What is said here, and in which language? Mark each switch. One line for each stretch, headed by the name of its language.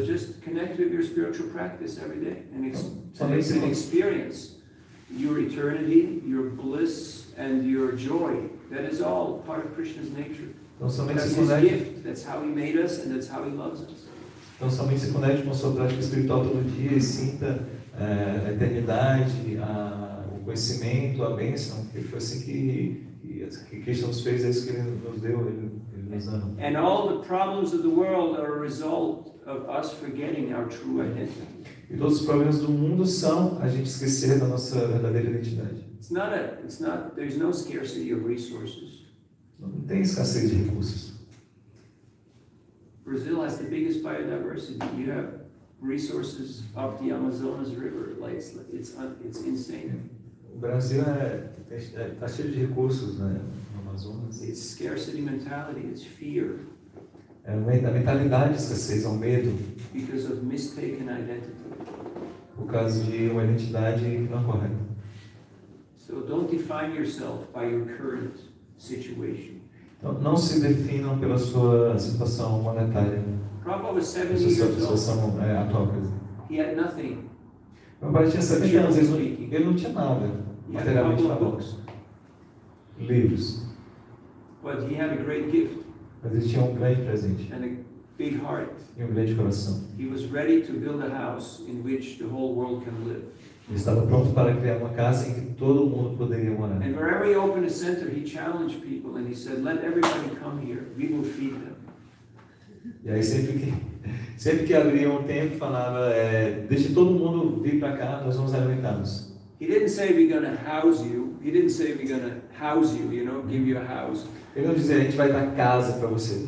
English: So just connect with your spiritual practice every day and experience your eternity, your bliss and your joy. That is all part of Krishna's nature.
Portuguese: Então somente
English: that's
Portuguese: se conecte.
English: His gift. That's how he made us and that's how he loves us.
Portuguese: Então somente se conecte com a sua prática espiritual todo dia e sinta a eternidade, o conhecimento, a bênção. Porque foi assim que Krishna nos fez, é isso que ele nos deu.
English: And all the problems of the world are a result of us forgetting our true identity.
Portuguese: E todos os problemas do mundo são a gente esquecer da nossa verdadeira identidade.
English: There's no scarcity of resources.
Portuguese: Não tem escassez de recursos.
English: Brazil has the biggest biodiversity. You have resources of the Amazonas River. Like it's insane.
Portuguese: O Brasil tá cheio de recursos, né?
English: It's scarcity mentality, it's fear.
Portuguese: É a mentalidade escassez, é o medo.
English: Because of mistaken identity.
Portuguese: Por causa de uma identidade não correta.
English: So don't define yourself by your current situation.
Portuguese: Então, não se definam pela sua situação monetária.
English: Prabhupada, 70 years old.
Portuguese: Sua situação atual, quer dizer.
English: He had nothing.
Portuguese: Meu pai tinha 70 anos, ele não tinha nada, materialmente falando. Livros.
English: But he had a great gift.
Portuguese: Mas ele tinha um grande presente.
English: And a big heart.
Portuguese: E um grande coração.
English: He was ready to build a house in which the whole world can live.
Portuguese: Ele estava pronto para criar uma casa em que todo mundo poderia morar.
English: And wherever he opened a center, he challenged people and he said, "Let everybody come here. We will feed them."
Portuguese: E aí sempre que abria um templo, falava, deixe todo mundo vir para cá, nós vamos alimentá-los.
English: He didn't say we're gonna house you. He didn't say we're gonna house you. You know, give you a house.
Portuguese: Ele não dizia, a gente vai dar casa para você.